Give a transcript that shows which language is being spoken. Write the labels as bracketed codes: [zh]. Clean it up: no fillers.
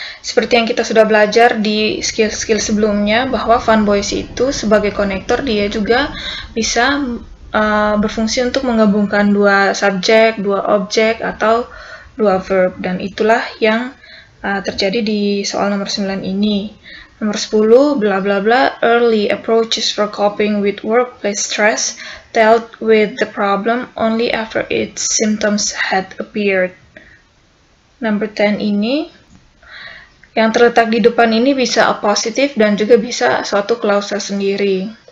[id] Seperti yang kita sudah belajar di skill-skill sebelumnya bahwa fun boys itu sebagai konektor dia juga bisa berfungsi untuk menggabungkan dua subjek, dua objek, atau dua verb. Dan itulah yang terjadi di soal nomor 9 ini. [en] Nomor 10, bla bla bla, early approaches for coping with workplace stress dealt with the problem only after its symptoms had appeared. [id] Number 10 ini, yang terletak di depan ini bisa a positive dan juga bisa suatu klausa sendiri.